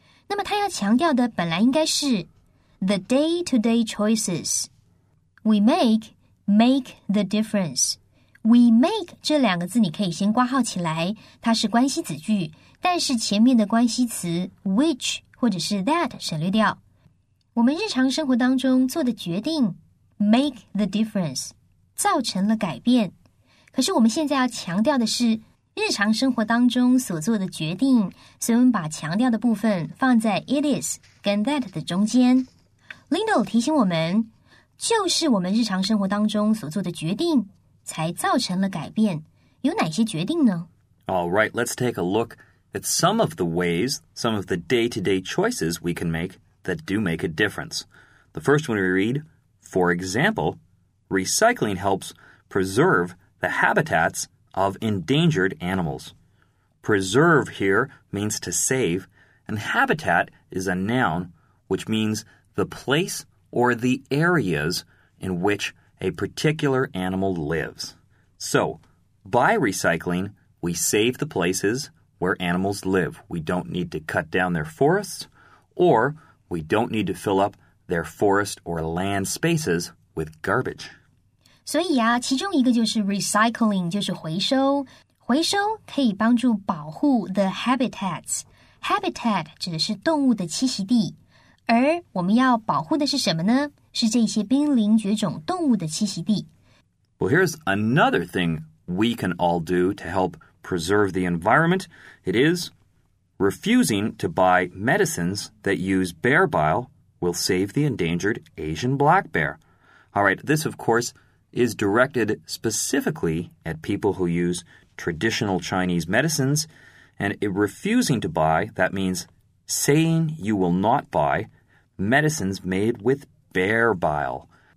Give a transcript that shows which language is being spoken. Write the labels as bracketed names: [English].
[Chinese] 那么他要强调的本来应该是 [English] the day-to-day choices we make the difference。 We make [Chinese] 这两个字你可以先挂号起来，它是关系子句，但是前面的关系词 which 或者是 that 省略掉。我们日常生活当中做的决定 [English] make the difference [Chinese] 造成了改变，可是我们现在要强调的是日常生活当中所做的决定，所以我们把强调的部分放在 it is 跟 that 的中间。 Lindell 提醒我们，就是我们日常生活当中所做的决定才造成了改变，有哪些决定呢? [English] All right, let's take a look at some of the ways, some of the day-to-day choices we can make that do make a difference. The first one we read, for example, recycling helps preserve the habitats of endangered animals. Preserve here means to save, and habitat is a noun which means the place or the areas in which a particular animal lives. So, by recycling, we save the places where animals live. We don't need to cut down their forests, or we don't need to fill up their forest or land spaces with garbage. [Chinese] 所以啊，其中一个就是 recycling, 就是回收。回收可以帮助保护 the habitats. Habitat 指的是动物的栖息地。而我们要保护的是什么呢？是这些濒临绝种动物的栖息地。 [English] Well, here's another thing we can all do to help preserve the environment. It is refusing to buy medicines that use bear bile will save the endangered Asian black bear. All right, this, of course, is directed specifically at people who use traditional Chinese medicines, and refusing to buy, that means saying you will not buy medicines made with bear bile.